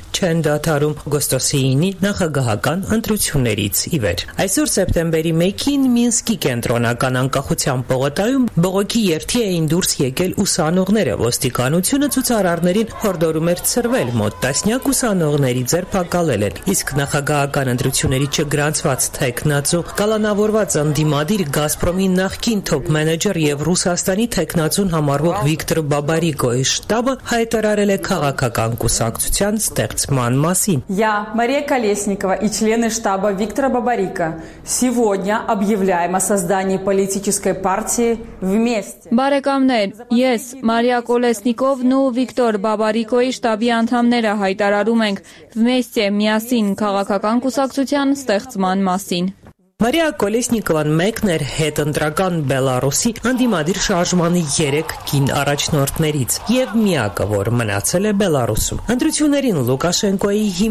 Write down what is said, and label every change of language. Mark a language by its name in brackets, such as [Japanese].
[Armenian] չեն դադարում օգոստոսի 9-ի նախագահական ընտրություններից ի վեր։ Այսօր սեպտեմբերի 1-ին Մինսկի կենտրոնական անկախության պողոտայում բողոքի երթի էին դուրս եկել ուսանողները, ոստիկանությունը ցուցարարներին հորդորում էր ծրվել, մոտ տասնյակ ուսանողների ձերբակալել են, իսկ նախագահական ընտրությունների չգրանցված թեկնածու կալանավորված անդիմադիր Գազպրոմի նախկին թոփ մենեջեր և Ռուսաստանի թեկնածուն համարվող Վիկտոր Բաբարիկոյի շտաբը հայտարարել է քաղաքական կուսակցության ստեղծման մասին։ [Russian] Я Мария Колесникова и члены штаба Виктора Бабарика. Сегодня объявляем о создании политической партии «Вместе». [Armenian] Բարեկամներ, ես Մարիա Կոլեսնիկովն ու Վիկտոր Բաբարիկոյի շտաբի անդամները հայտարարում ենք «Вместе» միասին քաղաքական կուսակցության ստեղծման մասին։ Մարիա Կոլեսնիկովան մեկներ հետընտրական Բելարուսի անդիմադիր շարժմանի 3 գին առաջնորդներից եւ միակը, որ մնացել է Բելարուսում։ Ընտրություններին Լուկաշենկոյի